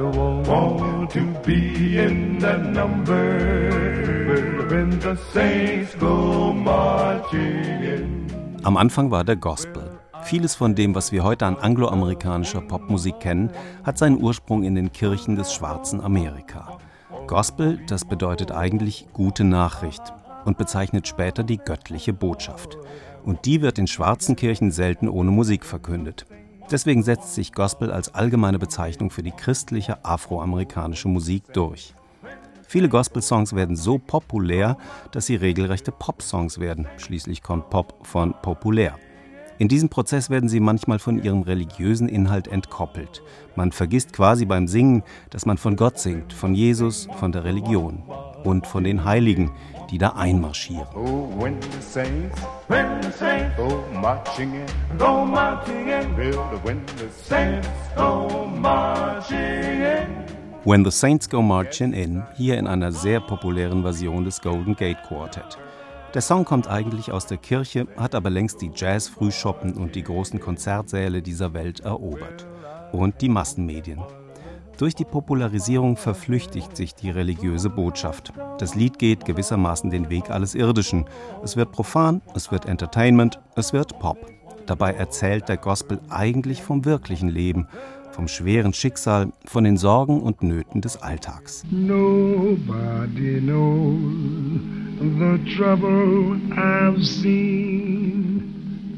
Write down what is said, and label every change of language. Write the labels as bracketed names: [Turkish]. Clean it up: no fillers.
[English] want to be in that number. Well, when the saints go marching in. [German] Am Anfang war der Gospel. Vieles von dem, was wir heute an angloamerikanischer Popmusik kennen, hat seinen Ursprung in den Kirchen des schwarzen Amerika. Gospel, das bedeutet eigentlich gute Nachricht und bezeichnet später die göttliche Botschaft. Und die wird in schwarzen Kirchen selten ohne Musik verkündet. Deswegen setzt sich Gospel als allgemeine Bezeichnung für die christliche afroamerikanische Musik durch. Viele Gospel-Songs werden so populär, dass sie regelrechte Pop-Songs werden. Schließlich kommt Pop von populär. In diesem Prozess werden sie manchmal von ihrem religiösen Inhalt entkoppelt. Man vergisst quasi beim Singen, dass man von Gott singt, von Jesus, von der Religion und von den Heiligen, die da einmarschieren. [English] Oh, when the saints, when the saints, go marching in, well, when the saints go marching in. [German] When the Saints Go Marching In, hier in einer sehr populären Version des Golden Gate Quartet. Der Song kommt eigentlich aus der Kirche, hat aber längst die Jazz-Frühschoppen und die großen Konzertsäle dieser Welt erobert. Und die Massenmedien. Durch die Popularisierung verflüchtigt sich die religiöse Botschaft. Das Lied geht gewissermaßen den Weg alles Irdischen. Es wird profan, es wird Entertainment, es wird Pop. Dabei erzählt der Gospel eigentlich vom wirklichen Leben, vom schweren Schicksal, von den Sorgen und Nöten des Alltags. [English] Nobody knows the trouble I've seen.